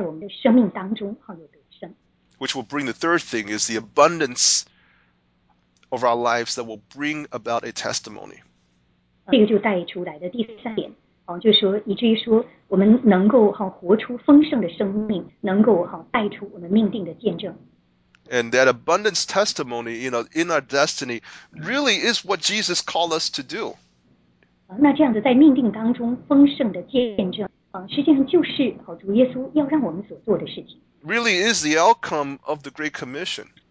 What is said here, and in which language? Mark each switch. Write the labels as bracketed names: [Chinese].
[Chinese] 我相信神会赐给我们能力，就是说我们能够活出这样子的一个有活出命定的能力，我们能够在我们的生命当中有得胜。 [English] Which will bring the third thing is the abundance of our lives that will bring about a testimony. [Chinese] 这个就带出来的第三点，就说以至于说我们能够活出丰盛的生命，能够带出我们命定的见证。 [English] And that abundance testimony, you know, in our destiny, really is what Jesus called us to do. [Chinese] 那这样子在命定当中丰盛的见证，实际上就是主耶稣要让我们所做的事情。 [English] Really is the outcome of the Great Commission.